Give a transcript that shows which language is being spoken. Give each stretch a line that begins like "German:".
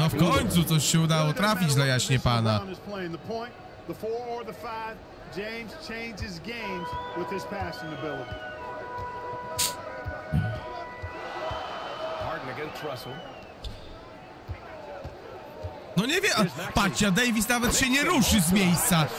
Polish: no, w końcu coś się udało trafić dla jaśnie pana.
English: The four or the five, James changes games with his passing ability. Harden against Russell.
Polish: No nie wie, patrzcie, Davis nawet się nie ruszy z miejsca.